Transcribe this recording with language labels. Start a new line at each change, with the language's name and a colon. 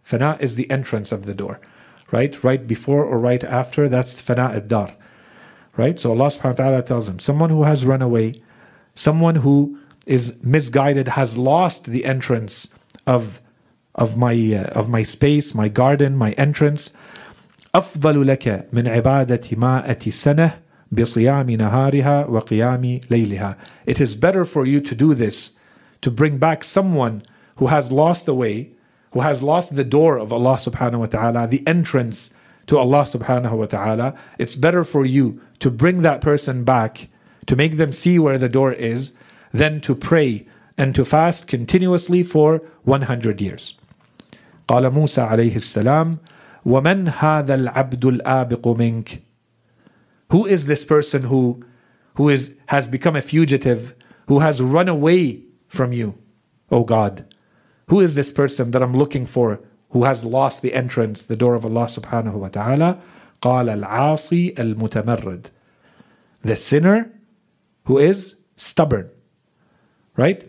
English: Fana is the entrance of the door, right? Right before or right after, that's fana ad-dar, right? So Allah subhanahu wa ta'ala tells him, someone who has run away, someone who is misguided, has lost the entrance of my space, my garden, my entrance.
Arabic: أفضل لك من عبادة مائة سنة بصيام نهارها وقيام ليلها.
English: It is better for you to do this, to bring back someone who has lost the way, who has lost the door of Allah subhanahu wa ta'ala, the entrance to Allah subhanahu wa ta'ala. It's better for you to bring that person back, to make them see where the door is, than to pray and to fast continuously for 100 years.
Arabic: قال موسى عليه السلام ومن هذا العبد الآبق منك.
English: Who is this person who has become a fugitive, who has run away from you, O God? Who is this person that I'm looking for, who has lost the entrance, the door of Allah subhanahu wa ta'ala?
Arabic: قال العاصي المتمرد.
English: The sinner who is stubborn. Right?